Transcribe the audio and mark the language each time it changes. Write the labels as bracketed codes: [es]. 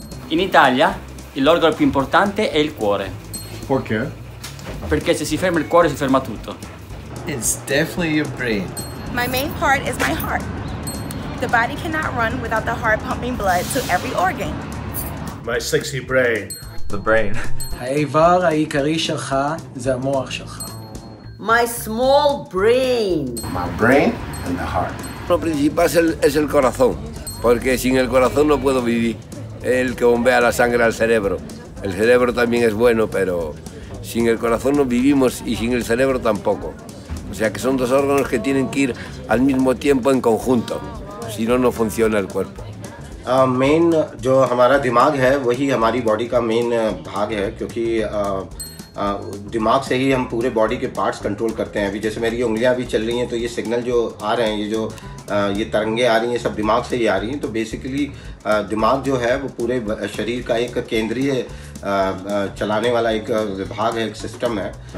[it] In Italia, [es] el órgano [it] più importante è il cuore. [es] ¿Por qué? [it] Perché se si ferma il cuore si ferma tutto. [en] It's definitely your brain. My main part is my heart. The body cannot run without the heart pumping blood to every organ. My sexy brain. The brain. [he] האיבר העיקרי שלך זה המוח שלך. [en] My small brain. My brain and the heart. [es] Lo principal es el corazón, porque sin el corazón no puedo vivir. El que bombea la sangre al cerebro. El cerebro también es bueno, pero sin el corazón no vivimos y sin el cerebro tampoco. O sea que son dos órganos que tienen que ir al mismo tiempo en conjunto. Si no, no funciona el cuerpo. [hi] जो हमारा दिमाग है वही हमारी body का main भाग है क्योंकि दिमाग से ही हम पूरे बॉडी के पार्ट्स कंट्रोल करते हैं। अभी जैसे मेरी उंगलियां भी चल रही हैं, तो ये सिग्नल जो आ रहे हैं, ये जो ये तरंगे आ रही हैं, सब दिमाग से ही आ रही हैं। तो बेसिकली दिमाग जो है वो पूरे शरीर का एक केंद्रीय चलाने वाला एक विभाग है, एक सिस्टम है।